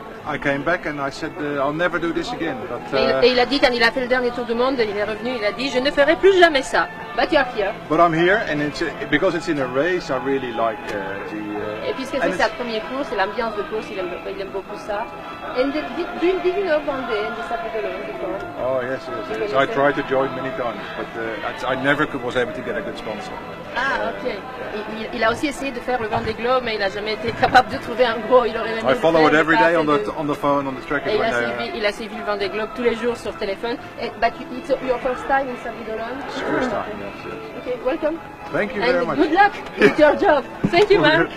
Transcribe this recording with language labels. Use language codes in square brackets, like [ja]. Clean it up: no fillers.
[en] I came back and I said, I'll never do this again. [fr] Et il a dit, quand il a fait le dernier tour du monde, il est revenu, il a dit, je ne ferai plus jamais ça. [en] But you are here. But I'm here, and because it's in a race, I really like the. [fr] Et puisque c'est sa première course, et l'ambiance de course, il aime beaucoup ça. [en] And did you know Vendée and the Sable d'Olonne before? Oh yes. I tried to join many times, but I never was able to get a good sponsor. Ah, okay. [fr] Il a aussi essayé de faire le Vendée Globe, mais il n'a jamais été capable de trouver un gros. Il aurait même. [en] I follow it every day on the phone, on the tracker. [fr] Il a suivi le Vendée Globe tous les jours sur téléphone. [en] But it's your first time in Sable d'Olonne? It's your first time. Yes. Okay, welcome. Thank you and very much. Good luck with your job. Thank you, Mark.